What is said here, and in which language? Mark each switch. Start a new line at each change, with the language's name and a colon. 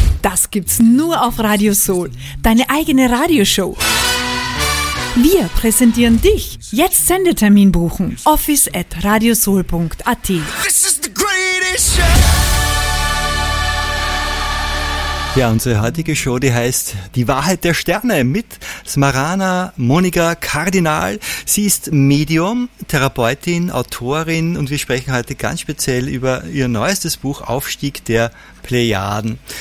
German: Das gibt's nur auf Radio Soul. Deine eigene Radioshow. Wir präsentieren dich. Jetzt Sendetermin buchen. office@radiosoul.at.
English: This is the greatest show.
German: Ja, unsere heutige Show, die heißt Die Wahrheit der Sterne mit Smarana Monica Kardinal. Sie ist Medium, Therapeutin, Autorin und wir sprechen heute ganz speziell über ihr neuestes Buch Aufstieg der Plejaden.